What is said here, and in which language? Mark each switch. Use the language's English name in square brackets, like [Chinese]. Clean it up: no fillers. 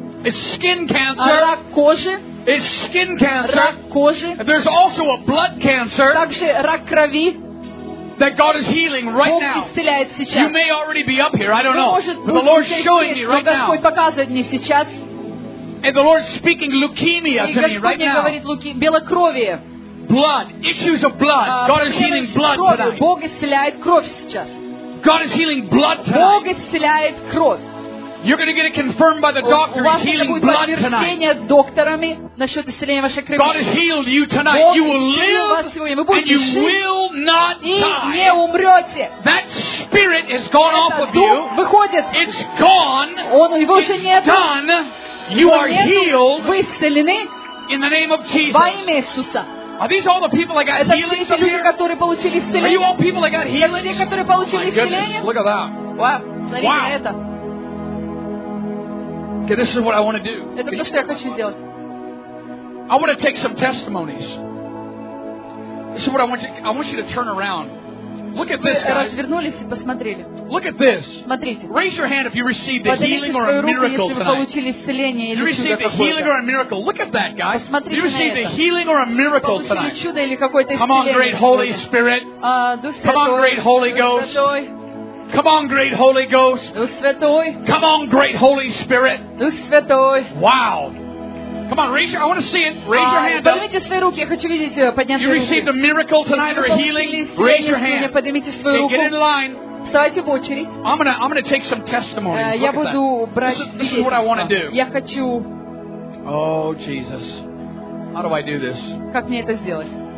[English] It's skin cancer. [Russian] Рак кожи. [English] It's skin cancer. [Russian] Рак кожи. [English] There's also a blood cancer. [Russian] Также рак крови. [English] That God is healing right now. [Russian] Исцеляет сейчас. [English] You may already be up here. I don't know. [Russian] Может, [English] but the Lord's showing me right [Russian] Господь [English] now. [Russian] Господь показывает мне сейчас. [English] And the Lord is speaking leukemia to me right now. [Russian] Говорит, белокровие. [English] Блood, issues of blood. God is healing blood tonight. [Russian] Бог исцеляет кровь сейчас. [English] God is healing blood tonight. [Russian] Бог исцеляет кровь. [English] You're going to get it confirmed by the doctor. [Russian] У вас [English] healing blood tonight. [Russian] Докторами насчет исцеления вашей крови. [English] God has healed you tonight. [Russian] Бог [English] you will live and you will not die. [Russian] Умрете. [English] That spirit has gone off of you. [Russian] Выходит. [English] It's gone. [Russian] Он его [English] It's [Russian] уже [English] done. [Russian] Нету. [English] You are healed. [Russian] Вы исцелены. [English] In the name of Jesus. [Russian] Во имя Иисуса. [English] Are these all the people that got healing? [Russian] Это все люди, которые получили исцеление. [English] Are you all people that got healing? [Russian] Это люди, которые получили исцеление. [English] Look at that. Wow. Wow. [Russian] Это. [English] Okay, this is what I want to do. [Russian] Это то, что я хочу сделать. [English] I want to take some testimonies. This is what I want you. I want you to turn around. Look at this, guys. [Russian] Развернулись и посмотрели. [English] Look at this. [Russian] Смотрите. [English] Raise your hand if you received a healing or a miracle tonight. [Russian] Подними свою руку, если вы получили исцеление или чудо какое-то. [English] If you received a healing or a miracle, look at that, guys. [Russian] Посмотрите на это. [English] You received a healing or a miracle tonight. [Russian] Получили чудо или какое-то исцеление. [English] Come on, great Holy Spirit. Come on, great Holy Ghost. Come on, great Holy Ghost. [Russian] Дух Святой. [English] Come on, great Holy Spirit. [Russian] Дух Святой. [English] Wow. Come on, raise your. I want to see it. Raise your hand. [Russian] Поднимите свои руки. Я хочу видеть поднятые руки. [English] You received a miracle tonight or a healing? Raise your hand. [Russian] Поднимите свою руку. [English] Get in line. [Russian] Вставайте в очередь. [English] I'm gonna take some testimonies. [Russian] Я буду брать. [English] This is what I want to do. [Russian] Я хочу. [English] Oh Jesus, how do I do this? [Russian] Как мне это сделать?